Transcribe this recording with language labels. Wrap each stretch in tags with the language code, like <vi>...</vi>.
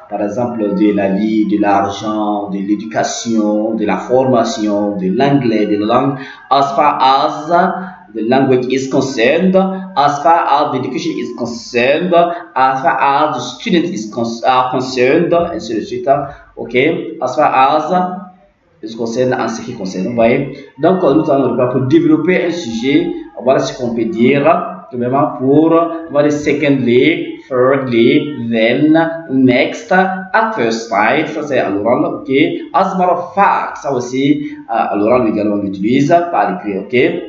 <fr>Par exemple, de la vie, de l'argent, de l'éducation, de la formation, de l'anglais, de la langue.</fr> <en>As far as the language is concerned, as far as the student is concerned,</en> <fr>et ainsi de suite.</fr> <en>Ok, as far as is concerned,</en> <fr>en ce qui concerne. Vous voyez, donc nous allons pour développer un sujet. Voilà ce qu'on peut dire. Tout même pour, voilà,</fr> <en>secondly, thirdly, then, next, at first sight,</en> <fr>ça c'est à l'oral, ok.</fr> <en>As a matter of fact,</en> <fr>ça aussi, à l'oral également, on l'utilise, pas à l'écrit, ok.</fr>